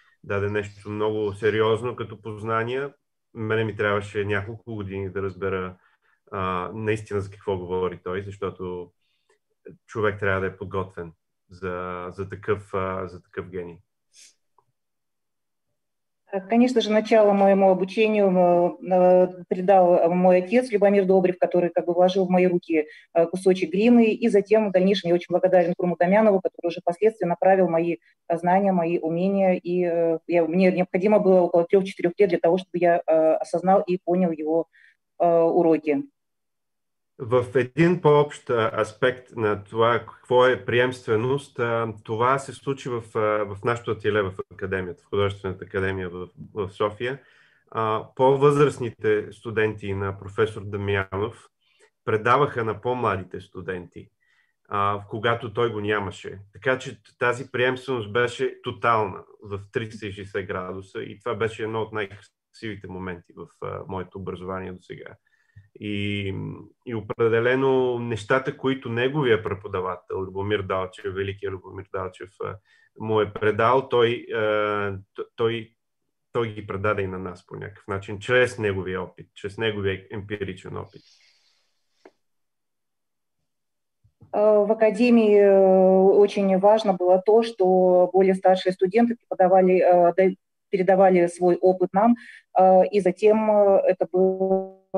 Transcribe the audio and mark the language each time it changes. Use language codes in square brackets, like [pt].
[bg] Даде нещо много сериозно като познания. Мене ми трябваше няколко години да разбера наистина за какво говори той, защото човек трябва да е подготвен за такъв гений. [ru] Конечно же, начало моему обучению придал мой отец Любомир Добрев, который как бы вложил в мои руки кусочек глины, и затем в дальнейшем я очень благодарен Курму Тамянову, который уже впоследствии направил мои знания, мои умения, и мне необходимо было около 3-4 лет для того, чтобы я осознал и понял его уроки. [bg] В един по-общ аспект на това, какво е преемственост, това се случи в нашото теле в академията, в художествената академия в София. По-възрастните студенти на професор Дамянов предаваха на по-младите студенти, когато той го нямаше. Така че тази преемственост беше тотална в 360 градуса и това беше едно от най-красивите моменти в моето образование до сега. И определено нещата, които неговия преподавател, Любомир Далчев, великият Любомир Далчев, му е предал, той ги предаде и на нас по някакъв начин, чрез неговия опит, чрез неговия емпиричен опит. [ru] В академии очень важно было то, что более старшие студенты преподавали, передавали свой опыт нам, и затем это было...